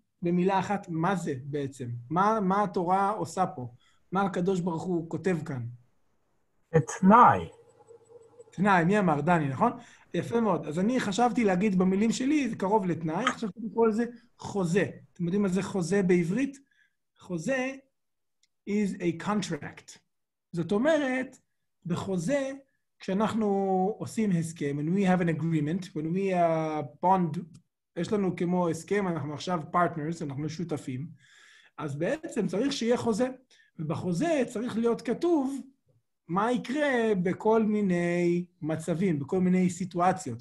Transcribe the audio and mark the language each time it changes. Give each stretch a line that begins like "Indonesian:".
Hebrew: במילה אחת, מה זה בעצם? מה התורה עושה פה? מה הקדוש ברוך הוא כותב כאן? תנאי. תנאי, מי אמר? דני, נכון? יפה מאוד. אז אני חשבתי להגיד במילים שלי, זה קרוב לתנאי, חשבתי לקרוא לזה חוזה. אתם יודעים מה זה חוזה בעברית?
English: חוזה is a contract.
Hebrew: זאת אומרת, בחוזה, כשאנחנו עושים הסכם,
English: when we have an agreement, when we bond,
Hebrew: יש לנו כמו הסכם, אנחנו עכשיו partners, אנחנו שותפים, אז בעצם צריך שיהיה חוזה. ובחוזה צריך להיות כתוב מה יקרה בכל מיני מצבים, בכל מיני סיטואציות.